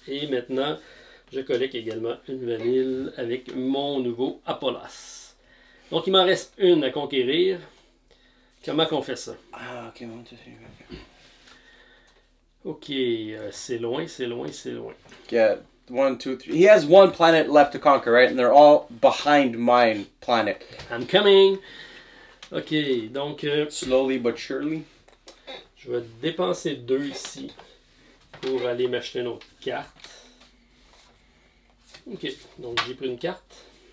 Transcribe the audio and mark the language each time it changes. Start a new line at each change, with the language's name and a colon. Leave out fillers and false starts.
French: Et maintenant, je collecte également une vanille avec mon nouveau Apollos. Donc, il m'en reste une à conquérir. Comment qu'on fait ça? Ah, OK. Bon, tu fais... OK, c'est loin, c'est loin, c'est loin.
English: Yeah, 1, 2, 3. He has one planet left to conquer, right? And they're all behind my planet. I'm coming. OK, donc... Slowly but surely.
French: Je vais dépenser deux ici pour aller m'acheter une autre carte. OK, donc j'ai pris une carte.